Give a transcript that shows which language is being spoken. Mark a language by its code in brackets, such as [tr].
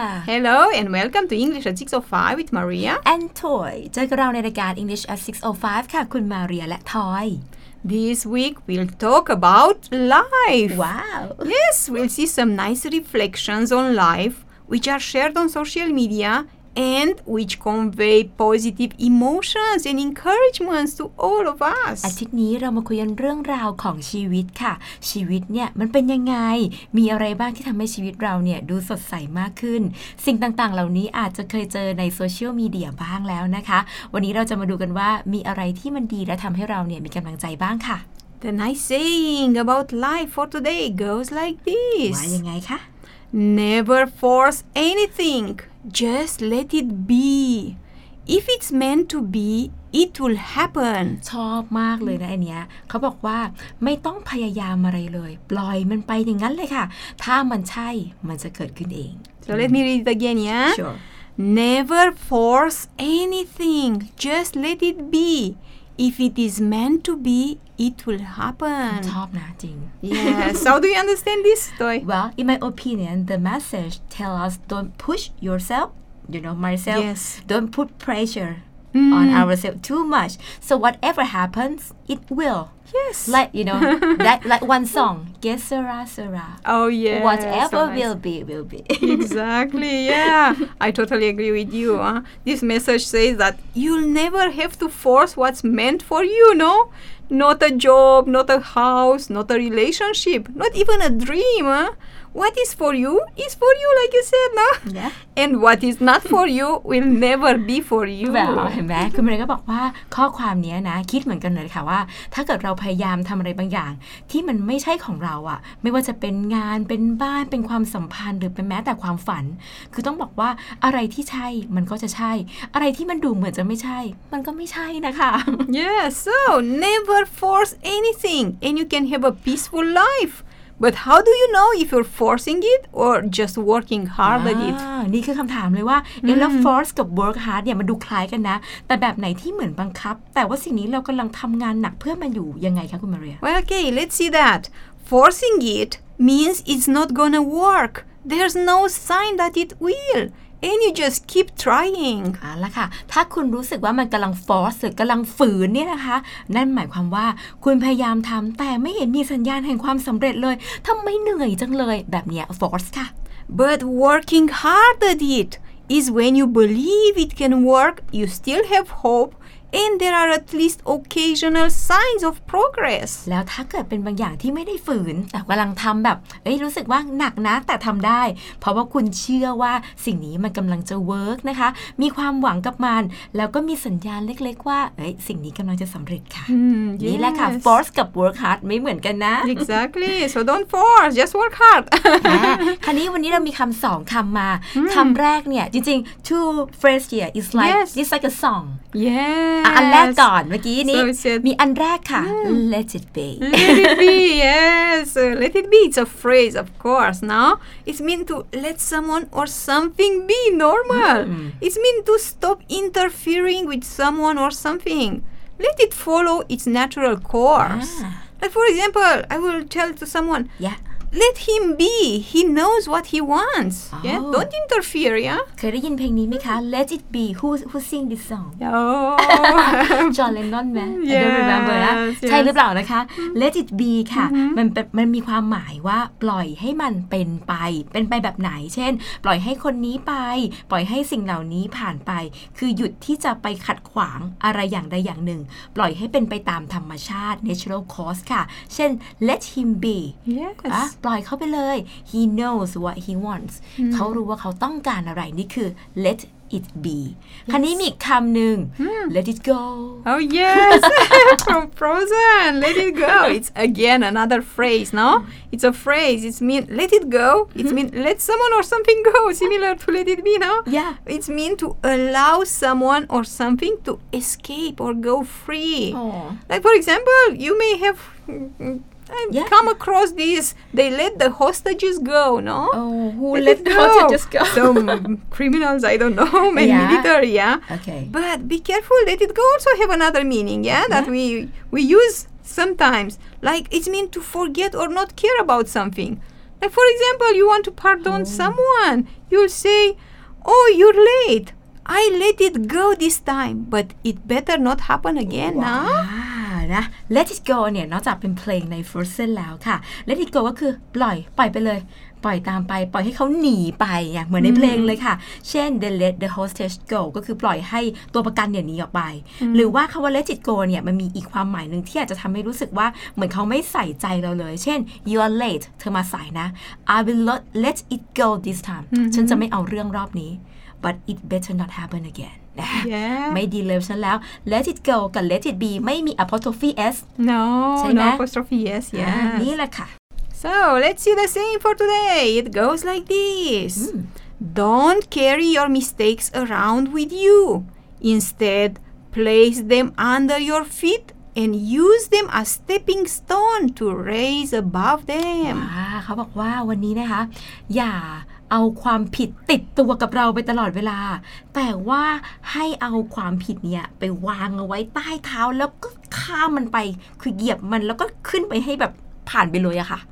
[en] Hello and welcome to English at 6:05 with Maria and Toy. [th] เจอกับเราในรายการ English at 6:05 ค่ะคุณมาเรียและ Toy. [en] This week we'll talk about life. Wow. Yes, we'll see some nice reflections on life which are shared on social media. And which convey positive emotions and encouragements to all of us. [th] อาทิตย์นี้เรามาคุยกันเรื่องราวของชีวิตค่ะชีวิตเนี่ยมันเป็นยังไงมีอะไรบ้างที่ทำให้ชีวิตเราเนี่ยดูสดใสมากขึ้นสิ่งต่างๆเหล่านี้อาจจะเคยเจอในโซเชียลมีเดียบ้างแล้วนะคะวันนี้เราจะมาดูกันว่ามีอะไรที่มันดีและทำให้เราเนี่ยมีกำลังใจบ้างค่ะ [en] The nice saying about life for today goes like this. [th] ว่ายังไงคะ [en] Never force anythingJust let it be. If it's meant to be, it will happen. [th] ชอบมากเลยนะไอเนี้ยเขาบอกว่าไม่ต้องพยายามอะไรเลยปล่อยมันไปอย่างนั้นเลยค่ะถ้ามันใช่มันจะเกิดขึ้นเอง [en] So let me read it again, yeah? Sure. Never force anything. Just let it be. If it is meant to be, it will happen. [th] ชอบนะจริง [en] Yes. So do you understand this story? Well, in my opinion, the message tells us don't push yourself, you know, myself. Yes. Don't put pressure on ourselves too much. So whatever happens, it will. Yes. Like, you know, that, like one song. Gesera, sera. Oh, yes. Whatever so nice. Will be, will be. Exactly. Yeah. I totally agree with you. Huh? This message says that you'll never have to force what's meant for you, no? Not a job, not a house, not a relationship, not even a dream. Huh? What is for you is for you, like you said, no? Yeah. And what is not for you will never be for you. [th] Well, เห็นไหมคุณเมย์ก็บอกว่าข้อความนี้นะคิดเหมือนกันเลยค่ะว่าถ้าเกิดเราพยายามทำอะไรบางอย่างที่มันไม่ใช่ของเราอะไม่ว่าจะเป็นงานเป็นบ้านเป็นความสัมพันธ์หรือเป็นแม้แต่ความฝันคือต้องบอกว่าอะไรที่ใช่มันก็จะใช่อะไรที่มันดูเหมือนจะไม่ใช่มันก็ไม่ใช่นะคะ [en] Yes, so never force anything and you can have a peaceful life. But how do you know if you're forcing it or just working hard at it? [th] นี่คือคำถามเลยว่าแล้ว force กับ work hard เนี่ยมันดูคล้ายกันนะแต่แบบไหนที่เหมือนบังคับแต่ว่าสิ่งนี้เรากำลังทำงานหนักเพื่อมันอยู่ยังไงคะคุณมาเรีย [en] Well, okay, let's see that. Forcing it means it's not gonna work. There's no sign that it will. And you just keep trying. [th] อ่าล่ะค่ะถ้าคุณรู้สึกว่ามันกำลัง force กำลังฝืนเนี่ยนะคะนั่นหมายความว่าคุณพยายามทำแต่ไม่เห็นมีสัญญาณแห่งความสำเร็จเลยทำไมเหนื่อยจังเลยแบบเนี้ย force ค่ะ [en] But working hard at it is when you believe it can work. You still have hope. And there are at least occasional signs of progress. [th] แล้วถ้าเกิดเป็นบางอย่างที่ไม่ได้ฝืนแต่กำลังทำแบบเอ้ยรู้สึกว่าหนักนะแต่ทำได้เพราะว่าคุณเชื่อว่าสิ่งนี้มันกำลังจะเวิร์กนะคะมีความหวังกับมันแล้วก็มีสัญญาณเล็กๆว่าเอ้ยสิ่งนี้กำลังจะสำเร็จค่ะ [en] yes. [th] นี่แหละค่ะ force กับ work hard ไม่เหมือนกันนะ [en] Exactly. So don't force. Just work hard. [th] คราวนี้วันนี้เรามีคำสองคำมา คำแรกเนี่ยจริงๆ [en] two phrase here is like yes. it's like a song. Yes. [th] อันแรกก่อนเมื่อกี้นี้ [en] so [th] มีอันแรกค่ะ [en] Let it be Let it be Yes Let it be It's a phrase of course No It's mean to let someone or something be normal It's mean to stop interfering with someone or something Let it follow its natural course Like for example I will tell to someone Yeah Let him be. He knows what he wants. Oh. Yeah? Don't interfere, yeah? [th] เคยได้ยินเพลงนี้ไหมคะ [en] Let it be. Who sing this song? Oh. John Lennon, man. Yes. I don't remember, yes. [th] นะ [en] yes. [th] ใช่หรือเปล่านะคะ [en] Let it be, [th] ค่ะ มันมีความหมายว่าปล่อยให้มันเป็นไปเป็นไปแบบไหนเช่นปล่อยให้คนนี้ไปปล่อยให้สิ่งเหล่านี้ผ่านไปคือหยุดที่จะไปขัดขวางอะไรอย่างใดอย่างหนึ่งปล่อยให้เป็นไปตามธรรมชาติ [en] Natural course, [th] ค่ะเช่น [en] Let him be. Yes. [th] ปล่อยเขาไปเลย [en] he knows what he wants [th] เขารู้ว่าเขาต้องการอะไรนี่คือ [en] let it be [th] คราวนี้มีคำหนึ่ง [en] let it go oh yes from Frozen let it go it's again another phrase no it's a phrase it's mean let it go it's mean let someone or something go similar to let it be no yeah it's mean to allow someone or something to escape or go free oh. like for example you may have Yeah. Come across this, they let the hostages go, no? Oh, who let the hostages go? Some criminals, I don't know, maybe yeah. military, yeah? Okay. But be careful, let it go also have another meaning, yeah? That yeah. we use sometimes. Like, it means to forget or not care about something. Like, for example, you want to pardon someone. You'll say, oh, you're late. I let it go this time, but it better not happen again, no? Wow. [th] นะ [en] let it go [th] เนี่ยนอกจากเป็นเพลงใน [en] first sense [th] แล้วค่ะ let it go ก็คือปล่อยไปเลยปล่อยตามไปปล่อยให้เขาหนีไปอ่ะเหมือนในเพลงเลยค่ะเช่น [en] they let the hostage go [th] ก็คือปล่อยให้ตัวประกันเนี่ยหนีออกไปหรือว่าคำว่า let it go เนี่ยมันมีอีกความหมายนึงที่อาจจะทำให้รู้สึกว่าเหมือนเขาไม่ใส่ใจเราเลยเช่น [en] you are late [th] เธอมาสายนะ [en] I will not let it go this time [th] ฉันจะไม่เอาเรื่องรอบนี้ [en] but it better not happen again Yeah. [th] ไม่ดีเลยฉันแล้ว [en] let it go [th] กับ [en] let it be [th] ไม่มี [en] apostrophe s no no apostrophe s yeah [th] นี่แหละค่ะ [en] so let's see the same for today it goes like this don't carry your mistakes around with you instead place them under your feetAnd use them as stepping stone to raise above them. [th] เขาบอกว่าวันนี้นะคะอย่าเอาความผิดติดตัวกับเราไปตลอดเวลาแต่ว่าให้เอาความผิดเนี่ยไปวางเอาไว้ใต้เท้าแล้วก็ข้ามมันไปคือเหยียบมันแล้วก็ขึ้นไปให้แบบผ่านไปเลยอะค่ะ